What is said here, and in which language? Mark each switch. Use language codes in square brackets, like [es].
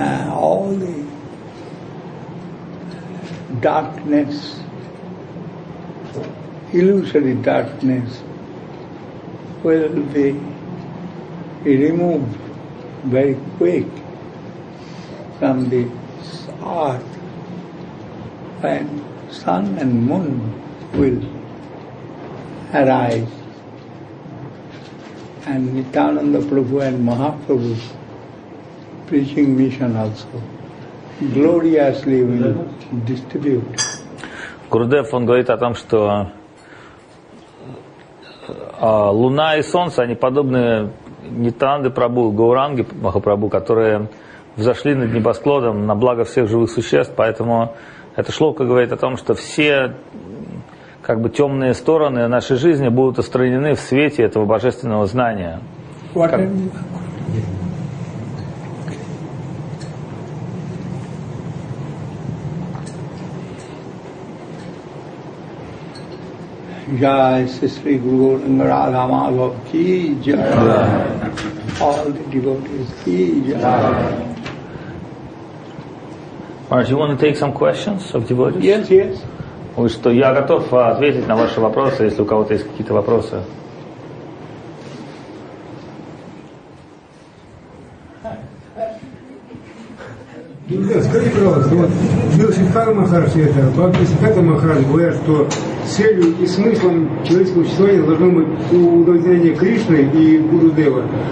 [en] All the darkness, illusory darkness, will be removed very quick from the earth when sun and moon will arise, and Nityananda Prabhu and Mahaprabhu preaching mission also. Gloriously will distribute. [ru] Гурудев, он говорит о том, что луна и солнце, они подобны Нитянанде Прабху, Гауранге Махапрабху, которые взошли над небосклоном на благо всех живых существ, поэтому эта шлока говорит о том, что все как бы темные стороны нашей жизни будут устранены в свете этого божественного знания. [hi] Jai Sri Guru Gauranga Radha Madhav ki jai. [en] All the devotees [hi] ki jai. [en] Maharaj, you want to take some questions of devotees? Yes, yes. [ru] Вы что, я готов ответить на ваши вопросы, если у кого-то есть какие-то вопросы. Скажите, пожалуйста, вот Бхакти Сиддханта Махарадж это, Бхакти Сиддханта Махарадж говорят, что целью и смыслом человеческого существования должно быть удовлетворение Кришны и Гурудева.